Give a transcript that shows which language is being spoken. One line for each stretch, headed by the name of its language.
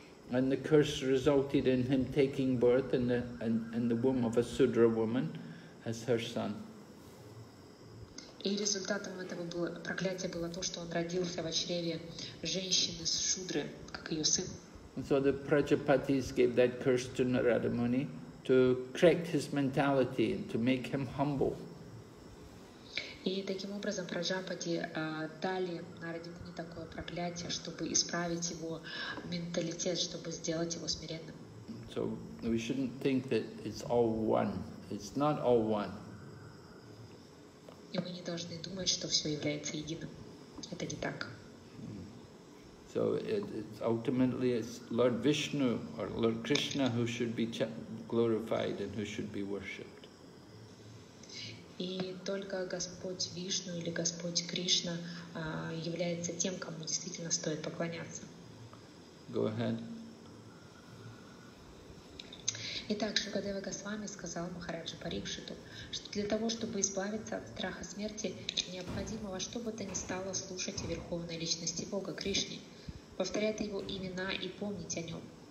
English: And the curse resulted in him taking birth in the womb of a Sudra woman as her son.
Russian: И результатом этого было, проклятие было то, что он родился в чреве женщины с Шудры, как ее сын.
English: And so the Prajapatis gave that curse to Narada Muni to correct his mentality and to make him humble.
Russian: И таким образом Праджапати дали Нараде Муни такое проклятие, чтобы исправить его менталитет, чтобы сделать его смиренным.
English: So we shouldn't think that it's all one. It's not all one.
Russian: И мы не должны думать, что все является единым. Это не так.
English: So it's ultimately it's Lord Vishnu or Lord Krishna who should be glorified and who should be worshipped.
Russian: И только Господь Вишну или Господь Кришна является тем, кому действительно стоит поклоняться.
English: Go ahead.
Russian: Итак, Шукадева Госвами сказал Махараджа Парикшиту, что для того, чтобы избавиться от страха смерти, необходимо во что бы то ни стало слушать о Верховной Личности Бога Кришне, повторять его имена и помнить о нем.